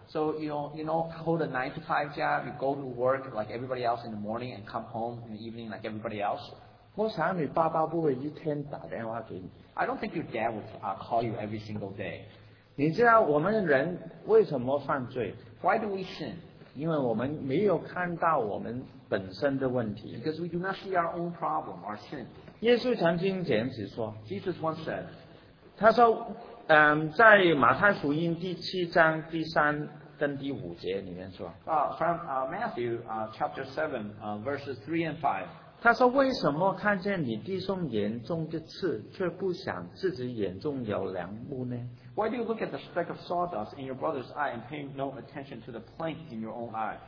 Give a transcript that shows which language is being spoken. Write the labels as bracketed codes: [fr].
[en] So you know, hold a 9-to-5 job, you go to work like everybody else in the morning and come home in the evening like everybody else. [zh] 我想你爸爸不会一天打电话给你。 [en] I don't think your dad would call you every single day. [zh] 你知道我们人为什么犯罪？ [en] Why do we sin? [zh] 因为我们没有看到我们本身的问题。 [en] Because we do not see our own problem, our sin. [zh] 耶稣曾经这样子说。 [en] Jesus once said. [zh] 他说在马太福音第七章第三跟第五节里面说。 [en] From Matthew chapter 7 verses 3 and 5. [zh] 他说为什么看见你弟兄眼中的刺却不想自己眼中有梁木呢？ [en] Why do you look at the speck of sawdust in your brother's eye and pay no attention to the plank in your own eye?